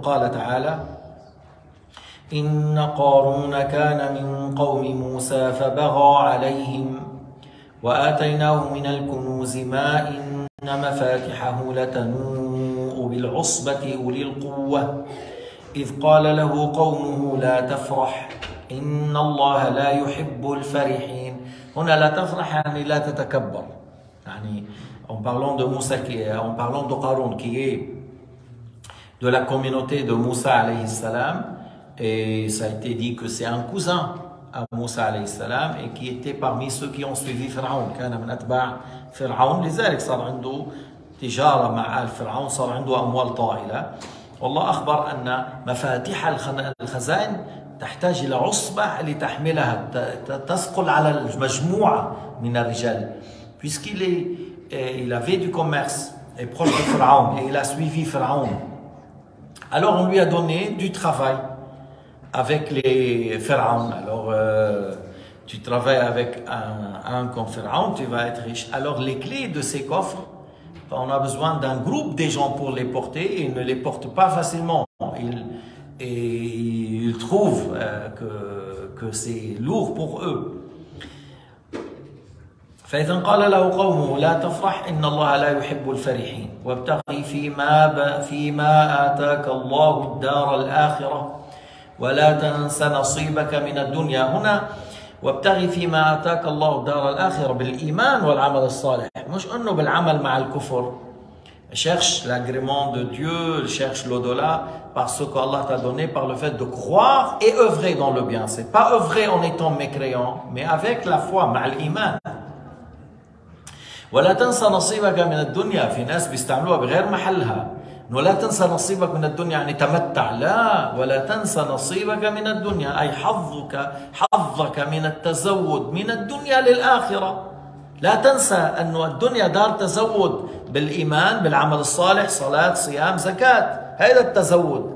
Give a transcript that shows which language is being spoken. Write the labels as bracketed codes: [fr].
[ar] قال تعالى إن قارون كان من قوم موسى فبغى عليهم وآتيناه من الكنوز ما إن مفاتحه لتنوء بالعصبة أولي القوة إذ قال له قومه لا تفرح إن الله لا يحب الفرحين. هنا لا تفرح يعني لا تتكبر. يعني [fr] en parlant de Moussa en parlant de Qarun qui est de la communauté de Moussa alayhi salam, et ça a été dit que c'est un cousin à Moussa alayhi salam et qui était parmi ceux qui ont suivi Pharaon. [ar] كان من أتباع فرعون، لذلك صار عنده تجارة مع آل فرعون، صار عنده أموال طائلة. والله أخبر أن مفاتيح الخزائن تحتاج إلى عصبة لتحملها، تثقل على المجموعة من الرجال. [fr] puisqu'il est il avait du commerce et proche de Pharaon et il a suivi Pharaon. alors on lui a donné du travail avec les Pharaons. alors tu travailles avec un comme Pharaon, tu vas être riche. alors les clés de ces coffres, on a besoin d'un groupe des gens pour les porter. ils ne les portent pas facilement. ils trouvent que c'est lourd pour eux. [ar] فإذا قال له قومه لا تفرح إن الله لا يحب الفرحين وابتغي فيما آتاك الله الدار الآخرة ولا تنس نصيبك من الدنيا. هنا وابتغي فيما آتاك الله الدار الآخرة بالإيمان والعمل الصالح، مش أنه بالعمل مع الكفر. [fr] cherche l'agrément de Dieu, cherche l'au-delà par ce qu'Allah t'a donné, par le fait de croire et œuvrer dans le bien. C'est pas œuvrer en étant mécréant, mais avec la foi, [ar] مع الإيمان. ولا تنسى نصيبك من الدنيا، في ناس بيستعملوها بغير محلها. ولا تنسى نصيبك من الدنيا يعني تمتع، لا، ولا تنسى نصيبك من الدنيا أي حظك من التزود من الدنيا للآخرة. لا تنسى أن الدنيا دار تزود بالإيمان بالعمل الصالح، صلاة، صيام، زكاة، هذا التزود.